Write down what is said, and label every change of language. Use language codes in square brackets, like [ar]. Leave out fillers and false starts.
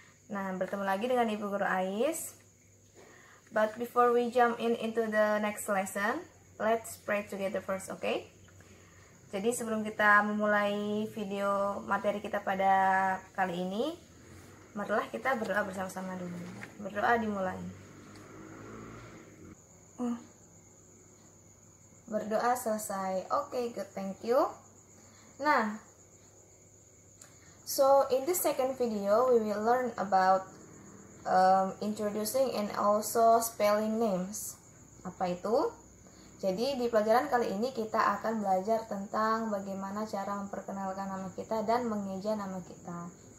[id] Nah, bertemu lagi dengan Ibu Guru Ais. [en] But before we jump into the next lesson, let's pray together first, okay? [id] Jadi sebelum kita memulai video materi kita pada kali ini, marilah kita berdoa bersama-sama dulu. Berdoa dimulai. [en] Berdoa selesai. Okay, good, thank you. Nah, so in this second video, we will learn about introducing and also spelling names. [id] Apa itu? Jadi di pelajaran kali ini kita akan belajar tentang bagaimana cara memperkenalkan nama kita dan mengeja nama kita.